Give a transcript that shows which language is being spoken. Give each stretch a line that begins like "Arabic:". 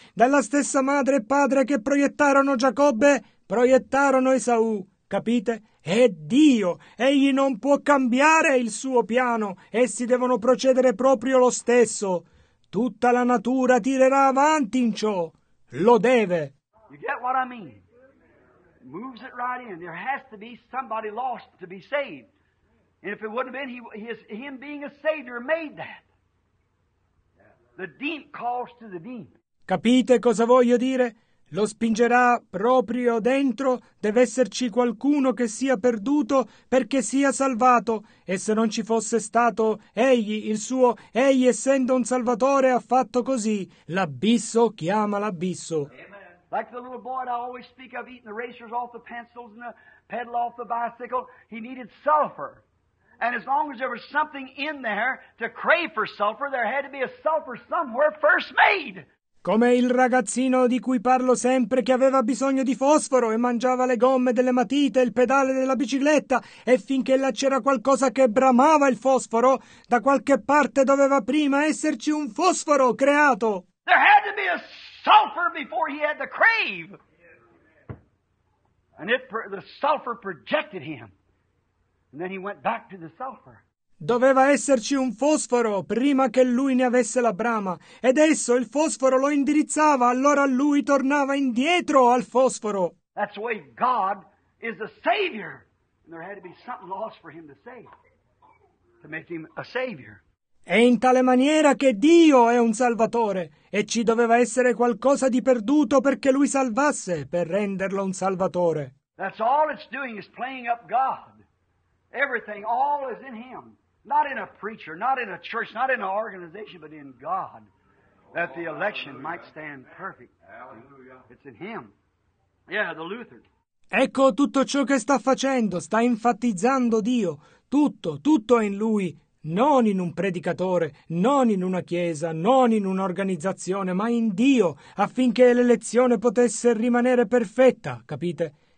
Italian: Dalla stessa madre e padre che proiettarono Giacobbe, proiettarono Esaù. Capite? È Dio. Egli non può cambiare il suo piano. Essi devono procedere proprio lo stesso. Tutta la natura tirerà avanti in ciò. Lo deve.
English: You get what I mean? Moves it right in. There has to be somebody lost to be saved. And if it wouldn't have been, him being a savior made that. The deep calls to the deep.
Italian: Capite cosa voglio dire? lo spingerà proprio dentro, deve esserci qualcuno che sia perduto perché sia salvato, e se non ci fosse stato egli, il suo, egli essendo un salvatore ha fatto così, l'abisso chiama l'abisso.
English: Like the little boy that I always speak of eating the erasers off the pencils and the pedal off the bicycle, he needed sulfur. And as long as there was something in there to crave for sulfur, there had to be a sulfur somewhere first made.
Italian: Come il ragazzino di cui parlo sempre che aveva bisogno di fosforo e mangiava le gomme delle matite e il pedale della bicicletta, e finché là c'era qualcosa che bramava il fosforo, da qualche parte doveva prima esserci un fosforo creato.
English: There had to be a sulfur before he had the crave. And the sulfur projected him. And then he went back to the sulfur.
Italian: Doveva esserci un fosforo prima che lui ne avesse la brama. Ed esso il fosforo lo indirizzava, allora lui tornava indietro al fosforo.
English: That's the way God is a savior. And there had to be something lost for him to save. To make him a savior.
Italian: È in tale maniera che Dio è un salvatore, e ci doveva essere qualcosa di perduto perché lui salvasse, per renderlo un salvatore.
English: That's all it's doing is playing up God. Everything, all is in Him. Not in a preacher, not in a church, not in an organization, but in God. That the election might stand perfect. It's in Him. Yeah, the Luther.
Italian: Ecco tutto ciò che sta facendo, sta enfatizzando Dio. Tutto, tutto è in Lui. Non in un predicatore, non in una chiesa, non in un'organizzazione, ma in Dio, affinché l'elezione potesse rimanere perfetta, capite?